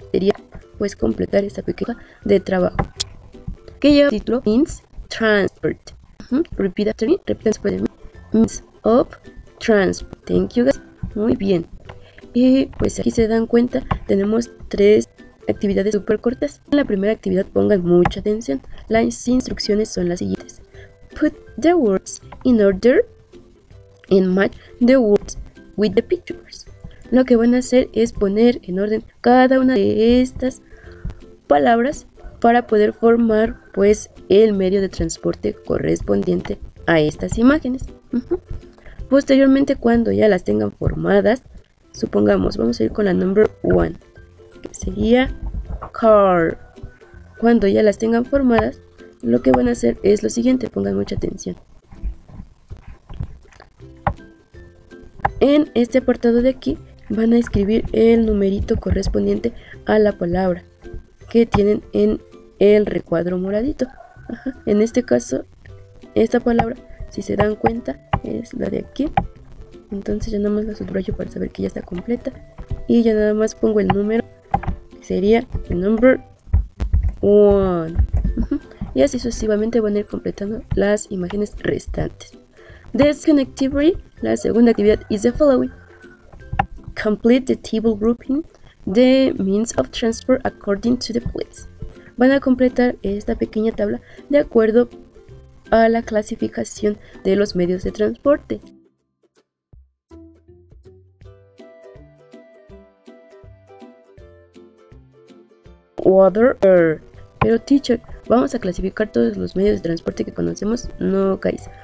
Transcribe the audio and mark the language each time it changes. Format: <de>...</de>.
<es>Sería pues completar esta pequeña de trabajo que lleva el título</es> <en>Means Transport. Repeat after me, repeat</en> <es>después de mí.</es> <en>Means of Transport. Thank you guys.</en> <es>Muy bien. Y pues aquí se dan cuenta, tenemos tres actividades súper cortas. En la primera actividad pongan mucha atención. Las instrucciones son las siguientes.</es> <en>Put the words in order and match the words with the pictures.</en> <es>Lo que van a hacer es poner en orden cada una de estas palabras para poder formar pues el medio de transporte correspondiente a estas imágenes. Posteriormente, cuando ya las tengan formadas, supongamos, vamos a ir con la</es> <en>number one,</en> <es>que sería car. Cuando ya las tengan formadas, lo que van a hacer es lo siguiente, pongan mucha atención. En este apartado de aquí van a escribir el numerito correspondiente a la palabra que tienen en el recuadro moradito. En este caso, esta palabra, si se dan cuenta, es la de aquí. Entonces ya nada más la subrayo para saber que ya está completa. Y ya nada más pongo el número, que sería el</es> <en>number one.</en> <es>Y así sucesivamente van a ir completando las imágenes restantes.</es> <en>This connectivity,</en> <es>la segunda actividad,</es> <en>is the following. Complete the table grouping the means of transport according to the place.</en> <es>Van a completar esta pequeña tabla de acuerdo a la clasificación de los medios de transporte.</es> <en>Water, air.</en> <es>Pero teacher, vamos a clasificar todos los medios de transporte que conocemos. No, guys.</es>